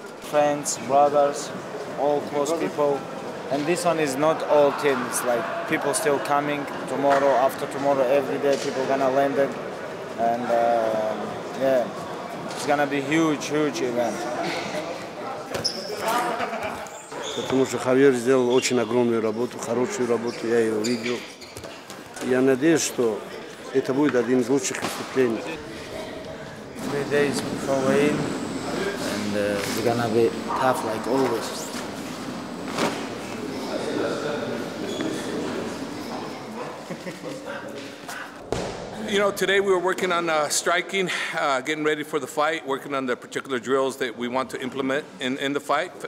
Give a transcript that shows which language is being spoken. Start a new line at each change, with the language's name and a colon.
English: Friends, brothers, all close people. And this one is not all teams, like people still coming tomorrow, after tomorrow, every day people gonna land it. And yeah, it's gonna be huge, huge event.
Russian: Потому что Хавьер сделал очень огромную работу, хорошую работу, я ее видел. Я надеюсь, что это будет один из лучших выступлений.
English: 3 days before weigh-in, and it's gonna be tough like always. You know, today we were working on striking, getting ready for the fight, working on the particular drills that we want to implement in the fight.